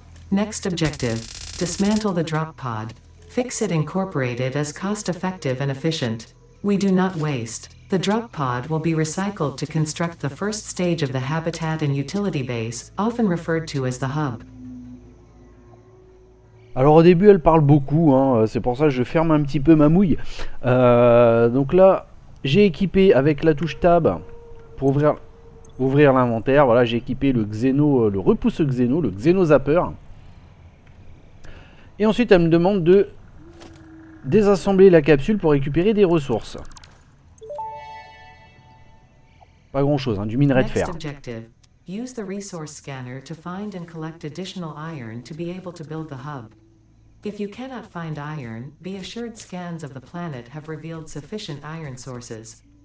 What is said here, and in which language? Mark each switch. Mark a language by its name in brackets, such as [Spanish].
[English] Next objective. Dismantle the drop pod. Fix it incorporated as cost-effective and efficient. We do not waste. The drop pod will be recycled to construct the first stage of the habitat and utility base, often referred to as the hub. [French] Alors au début elle parle beaucoup, hein. C'est pour ça que je ferme un petit peu ma mouille. Donc là, j'ai équipé avec la touche tab pour ouvrir l'inventaire. Voilà, j'ai équipé le Xeno, le repousse Xeno, le Xeno Zapper. Et ensuite, elle me demande de désassembler la capsule pour récupérer des ressources. Pas grand-chose, hein, du minerai de fer. [English] Next objective. Use the resource scanner to find and collect additional iron to be able to build the hub. If you cannot find iron, be assured scans of the planet have revealed sufficient iron sources.